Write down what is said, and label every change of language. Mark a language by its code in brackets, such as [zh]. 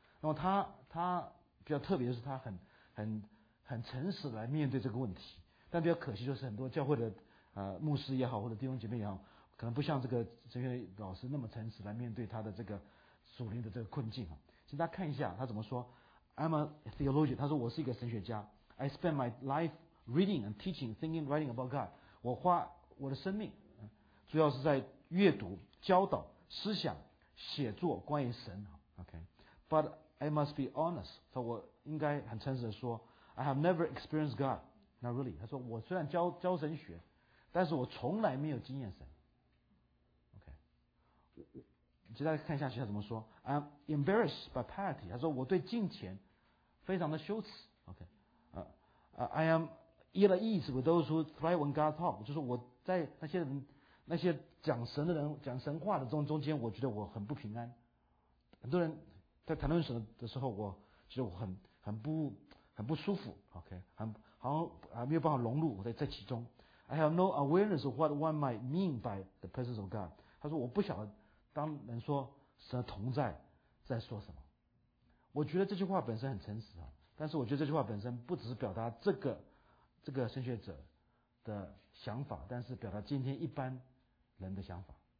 [zh] 那么他比较特别的是，他很诚实来面对这个问题。但比较可惜就是，很多教会的牧师也好，或者弟兄姐妹也好，可能不像这个神学老师那么诚实来面对他的这个属灵的这个困境啊。请大家看一下他怎么说 ： [en] “I'm a theologian。” [zh] 他说：“我是一个神学家。” [en] I spend my life reading and teaching, thinking, writing about God. [zh] 我花我的生命主要是在阅读、教导、思想、写作关于神。 [en] Okay. But I must be honest. [zh] 他说我应该很诚实的说 [en] I have never experienced God. Not really. [zh] 他说我虽然教神学，但是我从来没有经验神。 [en] Okay. [zh] 接下来看一下其他怎么说。 [en] I'm embarrassed by piety. [zh] 他说我对敬虔非常的羞耻。 [en] Okay. I am ill at ease with those who thrive when God talk. [zh] 就是我在那些讲神的人讲神话的中间，我觉得我很不平安。很多人在谈论神的时候，我觉得我很不舒服。 OK， 好像没有办法融入我在其中。 I have no awareness of what one might mean by the presence of God. 他说我不晓得当人说神的同在在说什么。我觉得这句话本身很诚实啊。但是我觉得这句话本身不只是表达这个神学者的想法，但是表达今天一般人的想法。